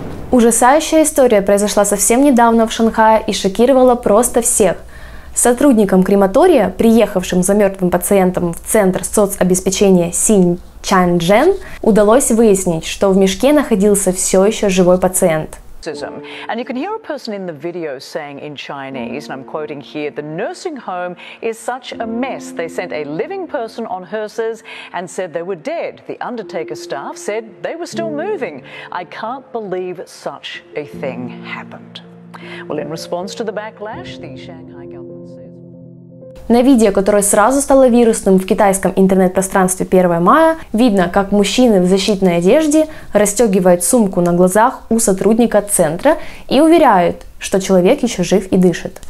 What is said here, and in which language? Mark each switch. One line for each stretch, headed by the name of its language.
Russian: Ужасающая история произошла совсем недавно в Шанхае и шокировала просто всех. Сотрудникам крематория, приехавшим за мертвым пациентом в центр соцобеспечения Синьчанчжэн, удалось выяснить, что в мешке находился все еще живой пациент.
English: And you can hear a person in the video saying in Chinese, and I'm quoting here, the nursing home is such a mess. They sent a living person on hearses and said they were dead. The undertaker staff said they were still moving. I can't believe such a thing happened. Well, in response to the backlash, the Shanghai
Russian: На видео, которое сразу стало вирусным в китайском интернет-пространстве 1 мая, видно, как мужчина в защитной одежде расстегивает сумку на глазах у сотрудника центра и уверяет, что человек еще жив и дышит.